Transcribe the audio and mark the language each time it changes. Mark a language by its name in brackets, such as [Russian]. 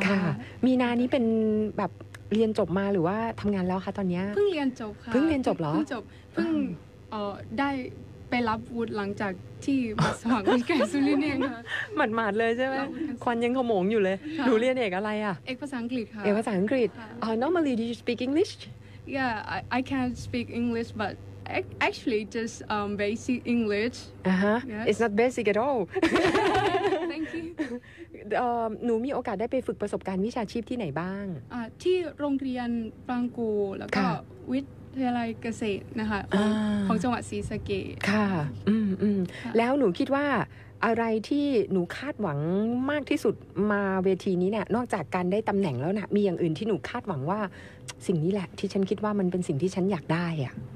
[Thai] ค่ะมีนานี้เป็นแบบเรียนจบมาหรือว่าทำงานแล้วคะตอนนี้ เพิ่งเรียนจบค่ะ เพิ่งเรียนจบเหรอ เพิ่งจบเพิ่งได้ไปรับวุฒิหลังจากที่มาสมัครมิสแกรนด์สุรินทร์เองค่ ะ หมาดๆเลยใช่ไหมควันยังขโมงอยู่เลยหนูเรียนเอกอะไรอ่ะ เอกภาษาอังกฤษค่ะ เอกภาษาอังกฤษ [English] normally do you speak English yeah I can't speak English but actually just basic English it's not basic at all thank you [Thai] หนูมีโอกาสได้ไปฝึกประสบการณ์วิชาชีพที่ไหนบ้าง ที่โรงเรียนบางกูแล้วก็วิทเทียร์ไรเกษตรนะคะของจังหวัดศรีสะเกษ ค่ะแล้วหนูคิดว่าอะไรที่หนูคาดหวังมากที่สุดมาเวทีนี้เนี่ยนอกจากการได้ตำแหน่งแล้วนะมีอย่างอื่นที่หนูคาดหวังว่าสิ่งนี้แหละที่ฉันคิดว่ามันเป็นสิ่งที่ฉันอยากได้อะ